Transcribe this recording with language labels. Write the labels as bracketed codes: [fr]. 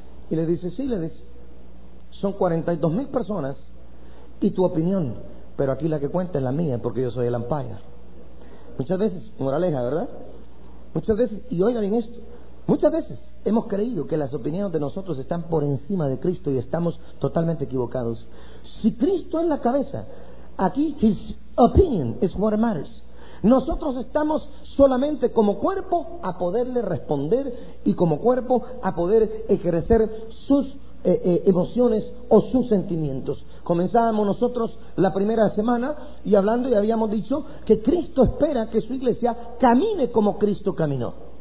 [es] Y le dice, sí, le dice, son 42,000 personas y tu opinión, pero aquí la que cuenta es la mía porque yo soy el umpire. Muchas veces, moraleja, ¿verdad? Muchas veces, y oiga bien esto, muchas veces hemos creído que las opiniones de nosotros están por encima de Cristo y estamos totalmente equivocados. Si Cristo es la cabeza, aquí [en] his opinion is what matters. [es] Nosotros estamos solamente como cuerpo a poderle responder y como cuerpo a poder ejercer sus emociones o sus sentimientos. Comenzábamos nosotros la primera semana y hablando y habíamos dicho que Cristo espera que su iglesia camine como Cristo caminó.